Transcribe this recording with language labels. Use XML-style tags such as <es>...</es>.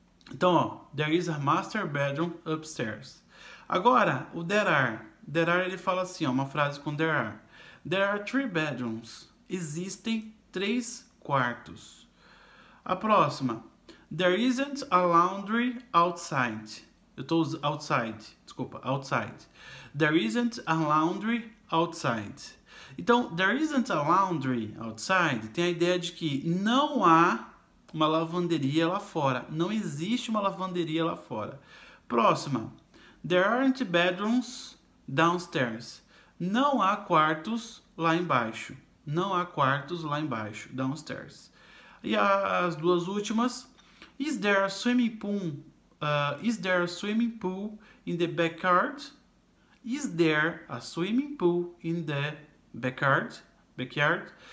<pt>Então, ó,</pt> <en>there is a master bedroom upstairs.</en> <pt>Agora, o there are. There are, ele fala assim, ó, uma frase com there are.</pt> <en>There are three bedrooms.</en> <pt>Existem três quartos. A próxima.</pt> <en>There isn't a laundry outside.</en> <pt>Eu tô</pt> <en>outside.</en> <pt>Desculpa,</pt> <en>outside. There isn't a laundry outside.</en> <pt>Então,</pt> <en>there isn't a laundry outside</en> <pt>tem a ideia de que não há uma lavanderia lá fora. Não existe uma lavanderia lá fora. Próxima.</pt> <en>There aren't bedrooms downstairs.</en> <pt>Não há quartos lá embaixo. Não há quartos lá embaixo. Downstairs. E as duas últimas.</pt> <en>Is there a swimming pool? Is there a swimming pool in the backyard? Is there a swimming pool in the backyard? Backyard.</en>